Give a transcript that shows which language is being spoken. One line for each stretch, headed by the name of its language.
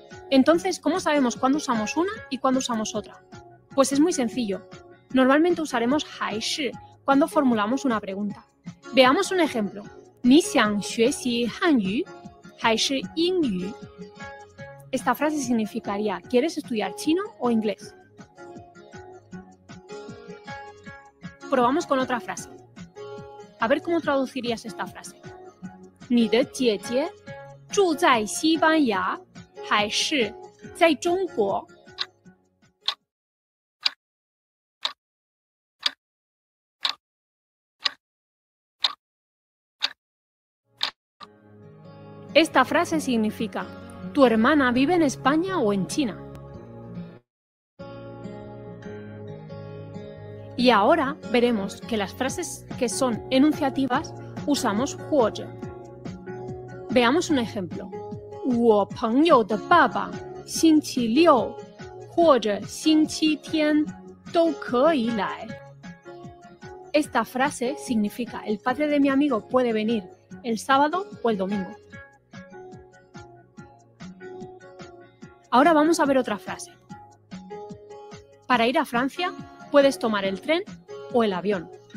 Spanish: Entonces, ¿cómo sabemos cuándo usamos una y cuándo usamos otra? Pues es muy sencillo. Normalmente usaremos 还是 cuando formulamos una pregunta. Veamos un ejemplo.
Chinese: 你想学习汉语还是英语?
Spanish: Esta frase significaría ¿Quieres estudiar chino o inglés? Probamos con otra frase. A ver cómo traducirías esta frase.
Chinese: 你的姐姐住在西班牙还是在中国?
Spanish: Esta frase significa ¿Tu hermana vive en España o en China? Y ahora veremos que las frases que son enunciativas usamos 或者. Veamos un ejemplo.
Chinese: 我朋友的爸爸星期六或者星期天都可以来.
Spanish: Esta frase significa El padre de mi amigo puede venir el sábado o el domingo. Ahora vamos a ver otra frase. Para ir a Francia, puedes tomar el tren o el avión.